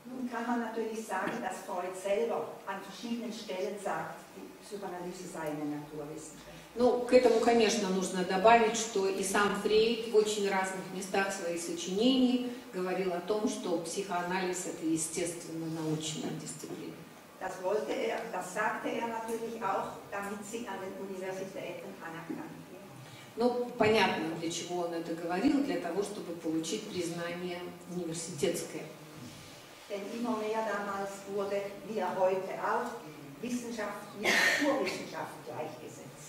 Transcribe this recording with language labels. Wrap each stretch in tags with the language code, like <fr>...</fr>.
<de>Kann man natürlich sagen, dass Freud selber an verschiedenen Stellen sagt, die Psychoanalyse sei eine Naturwissenschaft.</de> <ru>Ну, к этому, конечно, нужно добавить, что и сам Фрейд в очень разных местах своих сочинений говорил о том, что психоанализ это естественно научная дисциплина.</ru> <de>Das wollte er, das sagte er natürlich auch, damit sie an den Universitäten anerkannt.</de> <ru>Ну, понятно, для чего он это говорил, для того, чтобы получить признание университетское.</ru> <de>Denn immer mehr damals wurde, wie er heute auch, Wissenschaft mit Naturwissenschaft gleichgesetzt.</de>